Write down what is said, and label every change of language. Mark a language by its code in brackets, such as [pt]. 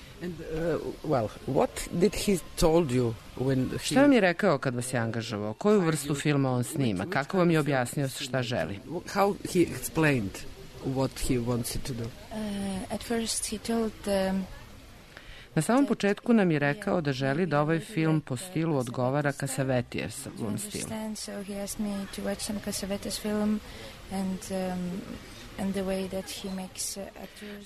[en] And well, what did he told you when he... [sr] Šta vam je rekao kad vas je angažovao? Koju vrstu filma on snima? Kako vam je objasnio šta želi? [en] How he explained what he wants to do? At first he told [sr] Na samom početku nam je rekao da želi da ovaj film po stilu odgovara Cassavetesovom stilu. [en] So he asked me to watch some Cassavetes film and and the way that he makes actors.